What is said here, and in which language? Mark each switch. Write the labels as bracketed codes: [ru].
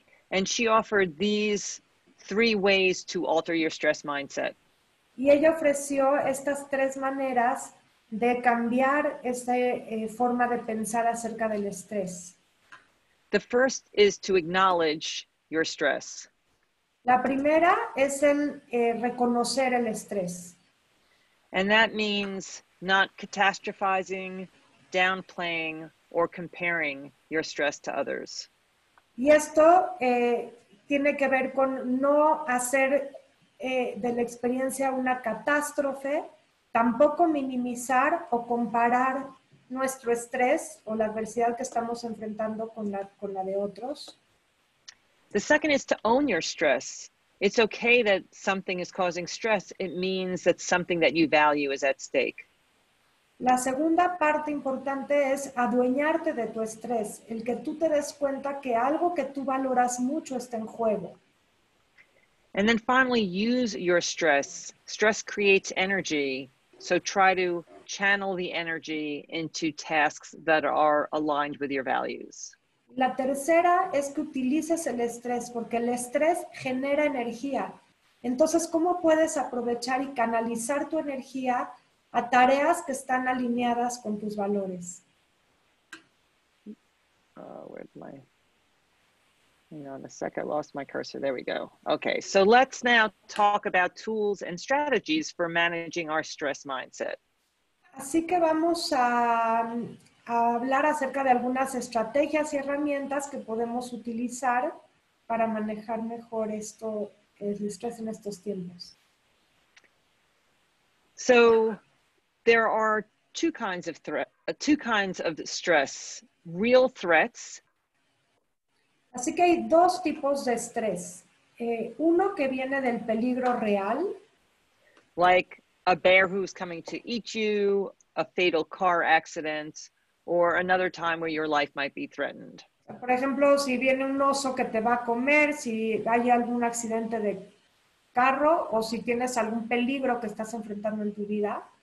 [en] And she offered these three ways to alter your stress mindset. [es] Y ella ofreció estas tres maneras de cambiar esta forma de pensar acerca del estrés. [en] The first is to acknowledge your stress. [es] La primera es el reconocer el estrés. [en] And that means not catastrophizing, downplaying, or comparing your stress to others. [es] Y esto tiene que ver con no hacer de la experiencia una catástrofe, tampoco minimizar o comparar nuestro estrés o la adversidad que estamos enfrentando con la de otros. [en] The second is to own your stress. It's okay that something is causing stress. It means that something that you value is at stake. [es] La segunda parte importante es adueñarte de tu estrés, el que tú te des cuenta que algo que tú valoras mucho está en juego. [en] And then finally, use your stress. Stress creates energy, so try to channel the energy into tasks that are aligned with your values. [es] La tercera es que utilices el estrés, porque el estrés genera energía. Entonces, ¿cómo puedes aprovechar y canalizar tu energía a tareas que están alineadas con tus valores? [en] Hang on a sec, I lost my cursor. There we go. Okay, so let's now talk about tools and strategies for managing our stress mindset. [es] Así que vamos a hablar acerca de algunas estrategias y herramientas que podemos utilizar para manejar mejor esto, el estrés en estos tiempos. [en] So, there are two kinds of stress, real threats. [es] Así que hay dos tipos de estrés. Uno que viene del peligro real. [en] Like a bear who's coming to eat you, a fatal car accident, or another time where your life might be threatened. [es] Por ejemplo, si viene un oso que te va a comer, si hay algún accidente de carro, o si tienes algún peligro que estás enfrentando en tu vida.